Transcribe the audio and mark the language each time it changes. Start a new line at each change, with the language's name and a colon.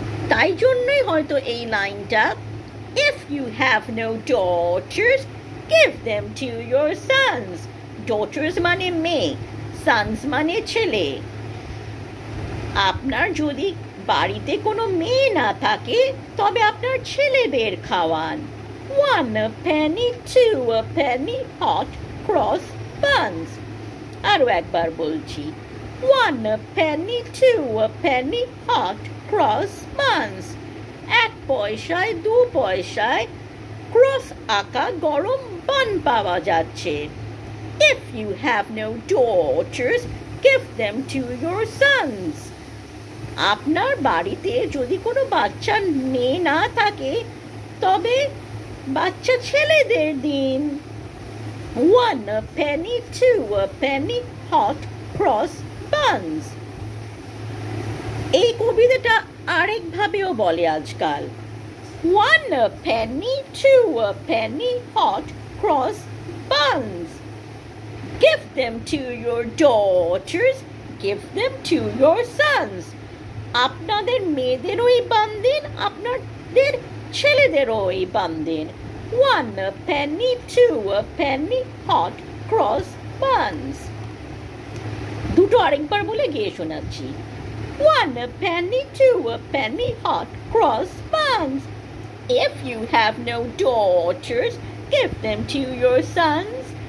Bangla: তাই জন্যই হয়তো এই লাইনটা,
English: if you have no daughters give them to your sons, daughters
Bangla: মানে মেয়ে,
English: sons
Bangla: মানে ছেলে। আপনার যদি বাড়িতে কোনো মেয়ে না থাকে তবে আপনার ছেলেদের খাওয়ান।
English: One penny, two penny, hot cross buns.
Bangla: আরো একবার বলছি,
English: One penny, two penny, hot cross buns.
Bangla: এক পয়সায় দু পয়সায় ক্রস আঁকা গরম বান পাওয়া যাচ্ছে।
English: If you have no daughters, give them to your sons.
Bangla: আপনার বাড়িতে যদি কোনো বাচ্চা মেয়ে না থাকে তবে বাচ্চা ছেলেদের দিন।
English: One penny, two penny, hot cross buns.
Bangla: এই কবিতাটা আরেকভাবেও বলে আজকাল,
English: One penny, two penny, hot cross buns. Give them to your daughters, give them to your sons.
Bangla: আপনাদের মেয়েদেরও এই বান দিন, আপনাদের ছেলেদেরও এই বান দিন।
English: One penny, two penny, hot cross buns.
Bangla: দুটো আরেকবার বলে গিয়ে শোনাচ্ছি,
English: One penny, two penny, hot cross buns. If you have no daughters, give them to your sons.